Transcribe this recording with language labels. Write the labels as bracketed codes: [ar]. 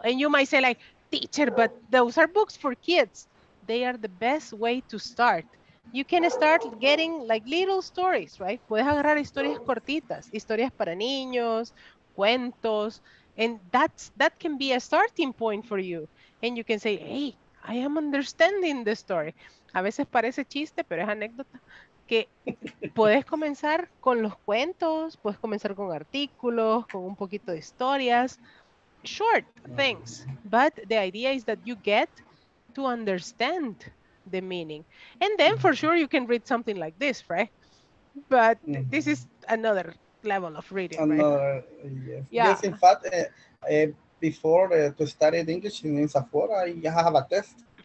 [en] And you might say like, teacher, but those are books for kids. They are the best way to start you can start getting like little stories, right? [es] Puedes agarrar historias cortitas, historias para niños, cuentos, [en] and that can be a starting point for you. And you can say, hey, I am understanding the story. [es] A veces parece chiste, pero es anécdota. Que puedes comenzar con los cuentos, puedes comenzar con artículos, con un poquito de historias. [en] Short things, but the idea is that you get to understand the meaning. And then for sure you can read something like this, right? But this is another level of reading, another, right? Yes. Yeah. Yes, in fact, before to study English in INSAFOR, I have a test.